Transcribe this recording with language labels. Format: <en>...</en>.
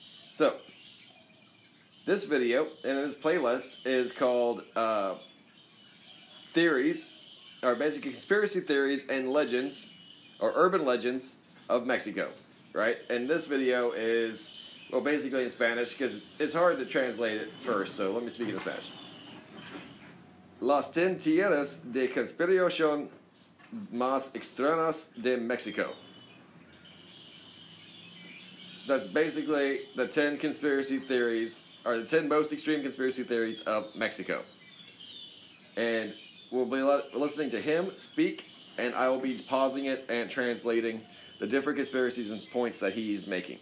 <en>So, this video and this playlist is called Theories, or basically conspiracy theories and legends, or urban legends of Mexico, right? And this video is, basically in Spanish, because it's hard to translate it first, so let me speak it in Spanish.</en> <es>Las 10 tierras de conspiración más extrañas de Mexico.</es> <en>So that's basically the 10 conspiracy theories, or the 10 most extreme conspiracy theories of Mexico. And we'll be listening to him speak, and I will be pausing it and translating the different conspiracies and points that he's making.</en>